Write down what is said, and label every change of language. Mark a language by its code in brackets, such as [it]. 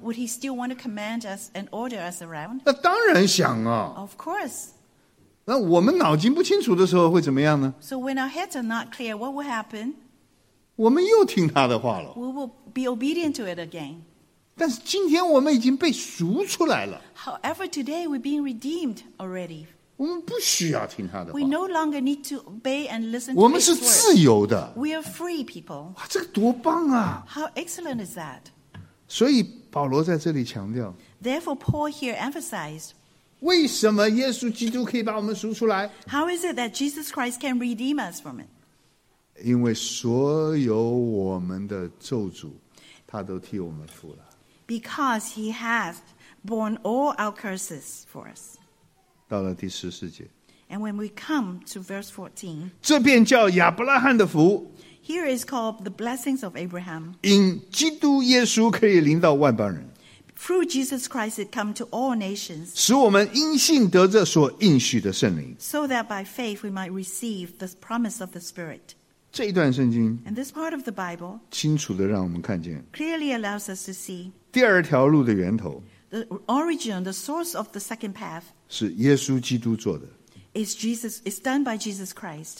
[en] ？Would he still want to command us and order us around? [zh] 那当然想啊。 [en] Of course. [zh] 那我们脑筋不清楚的时候会怎么样呢 [en] ？So when our heads are not clear, what will happen? [zh] 我们又听他的话了。 [en] We will be obedient to it again. [zh] 但是今天我们已经被赎出来了。 [en] However, today we're being redeemed already. [zh] 我们不需要听他的话。 [en] We no longer need to obey and listen. [zh] 我们是自由的。 [en] We are free people. [zh] 哇，这个多棒啊 [en] ！How excellent is that? [zh] 所以保罗在这里强调。 [en] Therefore, Paul here emphasized. [zh] 为什么耶稣基督可以把我们赎出来 [en] ？How is it that Jesus Christ can redeem us from it？ [zh] 因为所有我们的咒诅，他都替我们付了。 [en] Because he has borne all our curses for us。 [zh] 到了第十四节。 [en] And when we come to verse 14， [zh] 这便叫亚伯拉罕的福。 [en] Here is called the blessings of Abraham。 [zh] 因基督耶稣可以临到万邦人。 [en] Through Jesus Christ, it come to all nations. [zh] 使我们因信得着所应许的圣灵。 [en] So that by faith we might receive the promise of the Spirit. [zh] 这一段圣经。 [en] And this part of the Bible. [zh] 清楚地让我们看见。 [en] Clearly allows us to see. [zh] 第二条路的源头。 [en] The origin, the source of the second path. [zh] 是耶稣基督做的。 [en] Is Jesus, is done by Jesus Christ.